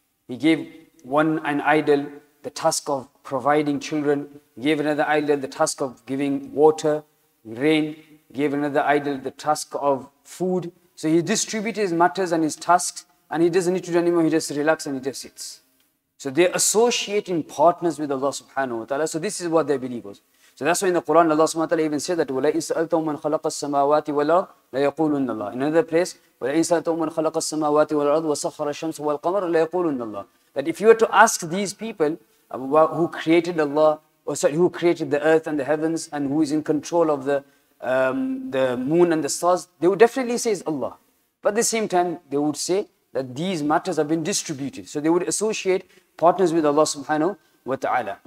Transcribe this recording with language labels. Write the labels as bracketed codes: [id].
[en] He gave one an idol the task of providing children, gave another idol the task of giving water, rain, gave another idol the task of food. So He distributed His matters and His tasks and He doesn't need to do anymore, He just relaxes and He just sits. So they're associating partners with Allah subhanahu wa ta'ala. So this is what their belief was. So that's why in the Quran Allah subhanahu wa ta'ala even said that [ar] وَلَئِنْ سَأَلْتَهُمْ مَنْ خَلَقَ السَّمَاوَاتِ وَالْأَرْضِ لَيَقُولُنَّ اللَّهِ. [en] In another place, [ar] وَلَئِنْ سَأَلْتَهُمْ مَنْ خَلَقَ السَّمَاوَاتِ وَالْأَرْضِ وَسَخَّرَ الشَّمْسَ وَالْقَمَرَ لَيَقُولُنَّ اللَّهِ. [en] That if you were to ask these people who created Allah, or sorry, who created the earth and the heavens, and who is in control of the moon and the stars, they would definitely say it's Allah. But at the same time, they would say that these matters have been distributed. So they would associate partners with Allah subhanahu wa ta'ala.